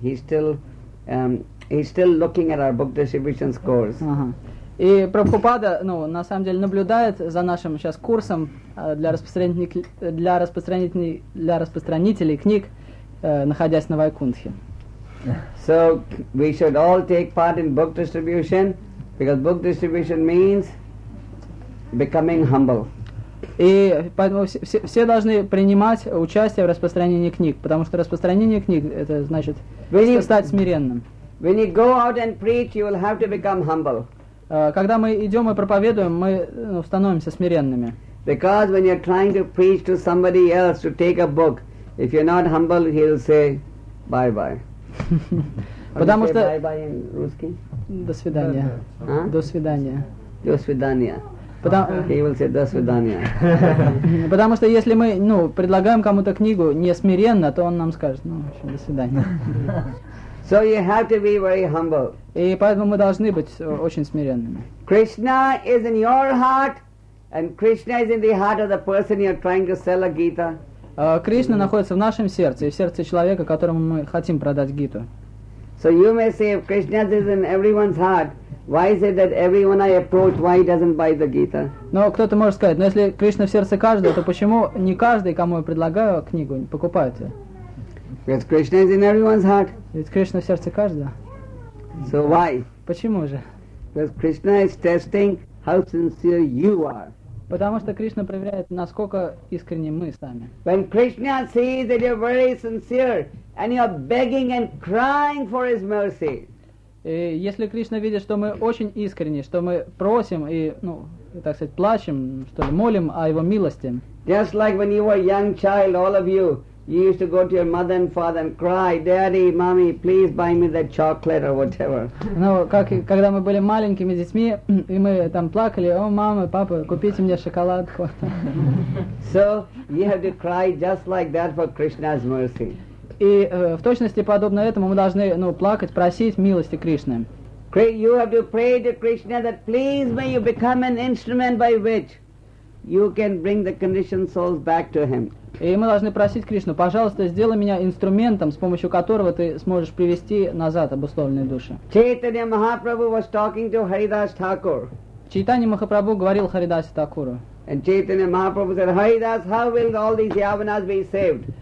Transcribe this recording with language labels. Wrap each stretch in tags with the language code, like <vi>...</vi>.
<en>He's still looking at our book distribution course.</en> <ru>И Прабхупада, ну, на самом деле, наблюдает за нашим сейчас курсом для распространителей книг, находясь на Вайкунтхе.</ru> <en>So we should all take part in book distribution, because book distribution means becoming humble.</en> <ru>И поэтому все должны принимать участие в распространении книг, потому что распространение книг это значит стать смиренным.</ru> <en>When you go out and preach, you will have to become humble.</en> <ru>Когда мы идем и проповедуем, мы становимся смиренными.</ru> <en>Because when you're trying to preach to somebody else to take a book, if you're not humble, he'll say bye-bye.</en> <ru>Потому что</ru> <en>bye-bye in русский?</en> <ru>До свидания. До свидания. До свидания.</ru> <en>He will say</en> <ru>до свидания. Потому что если мы предлагаем кому-то книгу не смиренно, то он нам скажет, ну, в общем, до свидания.</ru> <en>So you have to be very humble.</en> <ru>И поэтому мы должны быть очень смиренными.</ru> <en>Krishna is in your heart, and Krishna is in the heart of the person you're trying to sell a Gita.</en> <ru>Krishna находится в нашем сердце и в сердце человека, которому мы хотим продать Гиту.</ru> <en>So you may say, if Krishna is in everyone's heart, why is it that everyone I approach, why he doesn't buy the Gita?</en> <ru>Но кто-то может сказать, но если Krishna в сердце каждого, то почему не каждый, кому я предлагаю книгу, покупает ее?</ru> <en>Because Krishna is in everyone's heart.</en> <ru>Ведь Кришна в сердце каждого.</ru> <en>So why?</en> <ru>Почему же?</ru> <en>Because Krishna is testing how sincere you are.</en> <ru>Потому что Кришна проверяет, насколько искренни мы сами.</ru> <en>When Krishna sees that you're very sincere and you're begging and crying for His mercy.</en> <ru>И если Кришна видит, что мы очень искренни, что мы просим и, ну, так сказать, плачем, что ли, молим о Его милости.</ru> <en>Just like when you were a young child, all of you. You used to go to your mother and father and cry, Daddy, Mommy, please buy me that chocolate or whatever.</en> <ru>Ну, как когда мы были маленькими детьми, и мы там плакали, о, мама, папа, купите мне шоколадку.</ru> <en>So, you have to cry just like that for Krishna's mercy.</en> <ru>И в точности подобно этому мы должны, ну, плакать, просить милости Кришны.</ru> <en>You have to pray to Krishna that please may you become an instrument by which you can bring the conditioned souls back to Him.</en> <ru>И мы должны просить Кришну, пожалуйста, сделай меня инструментом, с помощью которого ты сможешь привести назад обусловленные души.</ru> <en>Chaitanya Mahaprabhu was talking to Haridas Thakur.</en> <ru>Chaitanya Mahaprabhu говорил Харидасу Такуру.</ru> <en>And Chaitanya Mahaprabhu said, Haridas, how will all these yavanas be saved?</en>